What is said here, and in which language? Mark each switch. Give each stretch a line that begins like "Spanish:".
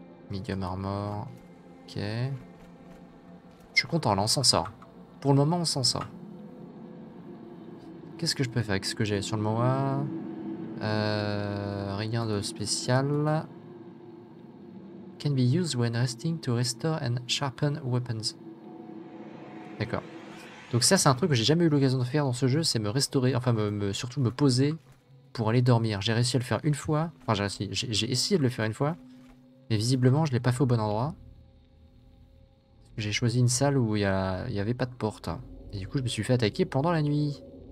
English: Medium armor. Ok.
French: Je suis content, là, on s'en sort. Pour le moment, on s'en sort. Qu'est-ce que je peux faire avec ce que j'ai sur le Moa? Rien de spécial.
English: Can be used when resting to restore and sharpen weapons.
French: D'accord. Donc ça, c'est un truc que j'ai jamais eu l'occasion de faire dans ce jeu, c'est me restaurer, enfin surtout me poser pour aller dormir. J'ai réussi à le faire une fois, enfin j'ai essayé de le faire une fois, mais visiblement je l'ai pas fait au bon endroit. J'ai choisi une salle où il y avait pas de porte. Et du coup je me suis fait attaquer pendant la nuit.